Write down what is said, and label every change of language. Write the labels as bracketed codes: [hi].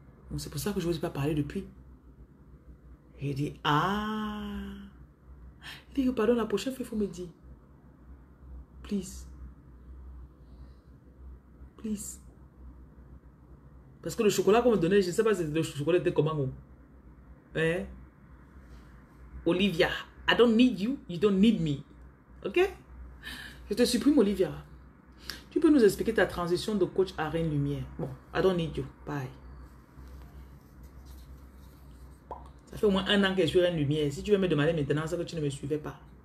[fr] Donc, c'est pour ça que je ne vous ai pas parlé depuis. Il dit, ah. Il dit, pardon, la prochaine fois, il faut me dire. Please. Please. Parce que le chocolat qu'on me donnait, je ne sais pas si le chocolat était comment. Bon. Hein? [en] Olivia, I don't need you, you don't need me. [fr] Ok? Je te supprime, Olivia. Tu peux nous expliquer ta transition de coach à Reine Lumière. Bon, [en] I don't need you. Bye. [fr] Ça fait au moins un an que je suis Reine Lumière. Si tu veux me demander maintenant, c'est que tu ne me suivais pas.